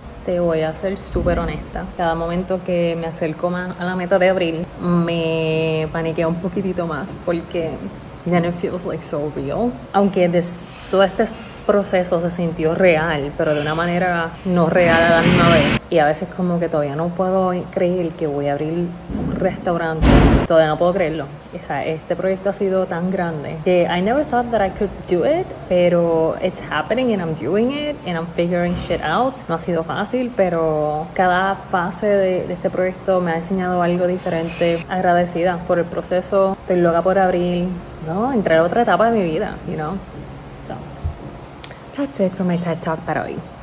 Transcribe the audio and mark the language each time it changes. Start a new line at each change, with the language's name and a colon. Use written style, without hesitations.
Spanish: Te voy a ser súper honesta. Cada momento que me acerco más a la meta de abril, me paniqueo un poquitito más porque
English: then it feels like so real.
Spanish: Aunque todo este proceso se sintió real, pero de una manera no real a la misma vez. Y a veces como que todavía no puedo creer que voy a abrir un restaurante. Todavía no puedo creerlo. O sea, este proyecto ha sido tan grande que
English: I never thought that I could do it, pero it's happening and I'm doing it and I'm figuring shit out.
Spanish: No ha sido fácil, pero cada fase de este proyecto me ha enseñado algo diferente. Agradecida por el proceso. Estoy loca por abrir, ¿no? Entrar a otra etapa de mi vida,
English: you know? That's it for my TED Talk
Spanish: para hoy.